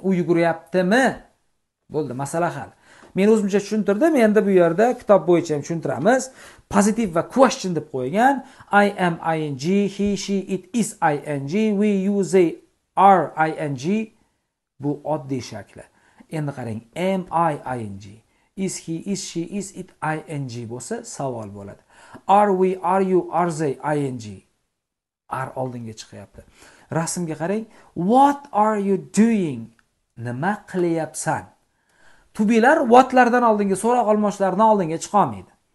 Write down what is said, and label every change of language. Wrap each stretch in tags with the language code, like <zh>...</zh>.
<uz>U yuguryaptimi? Bo'ldi, masala hal. Men o'zimcha tushuntirdim. Endi bu yerda kitob bo'yicha ham tushuntiramiz. Positive va question deb qo'ygan.</uz> <en>I am ing, he, she, it is ing, we, you, they are ing.</en> <uz>Bu oddiy shakli. Endi qarang,</uz> <en>am I ing? Is he, is she, is it ing</en> <uz>bo'lsa savol bo'ladi.</uz> <en>Are we, are you, are they ing? Are</en> <uz>oldinga chiqyapti. Rasmga qarang,</uz> <en>what are you doing?</en> <uz>Nima qilyapsan? To be'lar what'lardan oldinga, so'roq almoshlardan oldinga chiqolmaydi.</uz>